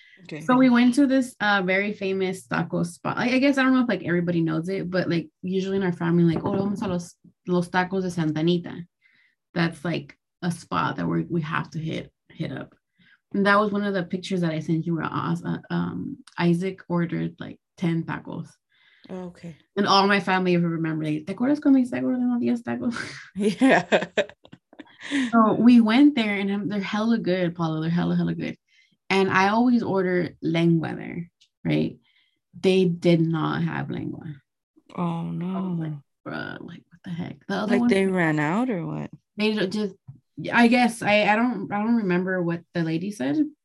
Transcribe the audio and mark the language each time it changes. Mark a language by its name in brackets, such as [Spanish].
[English] Okay. So we went to this very famous taco spot. I guess I don't know if like everybody knows it, but like usually in our family, like, oh, [Spanish] vamos a los tacos de Santa Anita. [English] That's like a spot that we have to hit up. And that was one of the pictures that I sent you where Isaac ordered like 10 tacos. Okay. And all my family ever remember, like, [Spanish] ¿te acuerdas cuando hice tacos de los 10 tacos? [English] Yeah. So we went there and they're hella good, Paulo. They're hella, hella good. And I always order lengua there, right? They did not have lengua. Oh, no. I was like, bruh, like, what the heck? The other like, one, they ran out or what? They just, I guess, I don't remember what the lady said.